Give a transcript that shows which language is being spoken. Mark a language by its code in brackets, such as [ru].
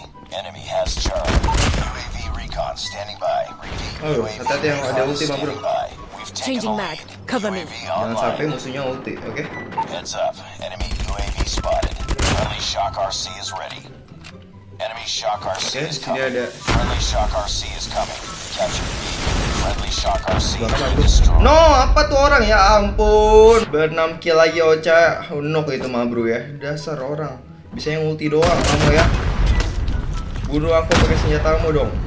[en] Enemy has UAV recon standing by. [id] Hati-hati yang ada ulti mah bro. [en] Changing mag, cover me. [id] Jangan sampai musuhnya ulti, oke? [en] Heads up, enemy UAV spotted. Friendly shock RC is ready. Enemy shock RC is coming. Friendly shock RC is coming. Friendly shock RC is destroyed. [id] No, apa tuh orang ya ampun. Ber-6 kill lagi Ocha. Nok itu mah bro ya. Dasar orang. Bisa yang ulti doang kamu ya. Bunuh aku pakai senjatamu dong.